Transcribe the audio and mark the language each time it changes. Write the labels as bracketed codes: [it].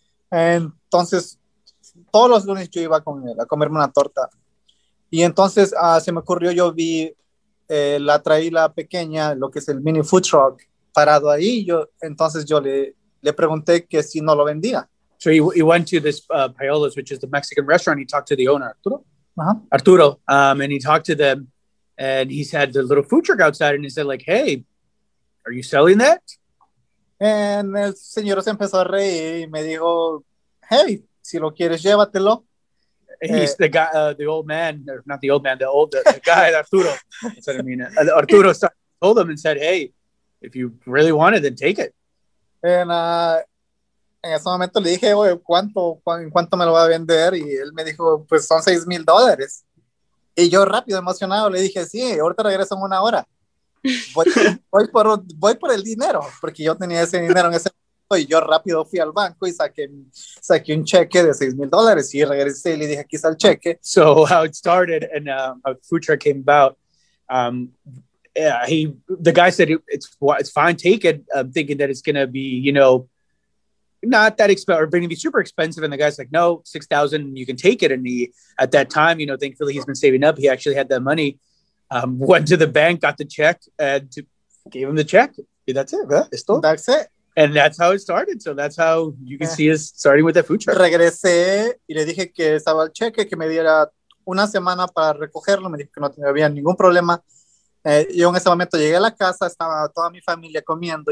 [es] Entonces, todos los lunes yo iba con él a comerme una torta. Y entonces se me ocurrió, yo vi la traíla pequeña, lo que es el mini food truck, parado ahí. Entonces yo le pregunté que si no lo vendía. [en] So he went to this Paola's, which is the Mexican restaurant. He talked to the owner, Arturo. Uh-huh. Arturo, and he talked to them, and he had the little food truck outside, and he said, like, hey, are you selling that? And [es] el señor se empezó a reír y me dijo, hey, si lo quieres, llévatelo. [en] He's the guy, the old man, or not the old man, the guy, Arturo. That's what I mean. Arturo told him and said, hey, if you really want it, then take it. And [es] en ese momento le dije, oye, ¿cuánto me lo va a vender? Y él me dijo, pues son $6,000. Y yo rápido, emocionado, le dije, sí, ahorita regreso en una hora. Voy por el dinero, porque yo tenía ese dinero en ese momento. Y yo rápido fui al banco y saqué un cheque de $6,000. Y regresé y le dije, aquí está el cheque. [en] So how it started and how the food truck came about. The guy said, it's fine, take it. I'm thinking that it's going to be, you know, not that expensive or going to be super expensive. And the guy's like, no, $6,000, you can take it. And he, at that time, you know, thankfully he's been saving up. He actually had that money, went to the bank, got the check and gave him the check. That's it. Huh? That's it. And that's how it started. So that's how you can see us starting with that food truck. [es] Regresé y le dije que estaba el cheque, que me diera una semana para recogerlo. Me dijo que no había ningún problema. Yo en ese momento llegué a la casa, estaba toda mi familia comiendo.